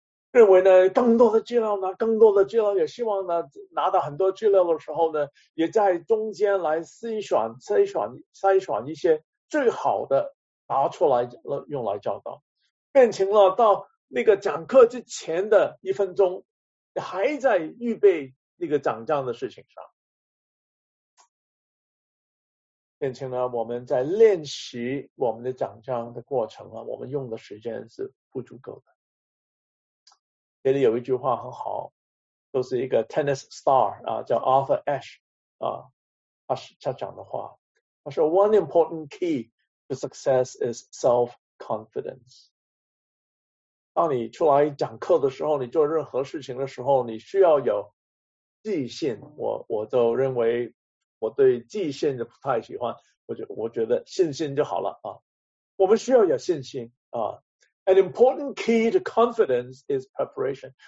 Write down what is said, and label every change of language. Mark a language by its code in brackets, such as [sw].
[zh] 认为呢，更多的资料，也希望呢，拿到很多资料的时候呢，也在中间来筛选一些最好的拿出来用来教导，变成了到那个讲课之前的一分钟还在预备那个讲章的事情上，变成了我们在练习我们的讲章的过程啊，我们用的时间是不足够的。这里有一句话很好，都是一个 tennis star 啊，叫 Arthur Ashe 啊，他讲的话，他说 [en] One important key to success is self-confidence。 [zh] 当你出来讲课的时候，你做任何事情的时候，你需要有自信。我都认为我对自信就不太喜欢，我觉得信心就好了啊。我们需要有信心啊。 [en] An important key to confidence is preparation。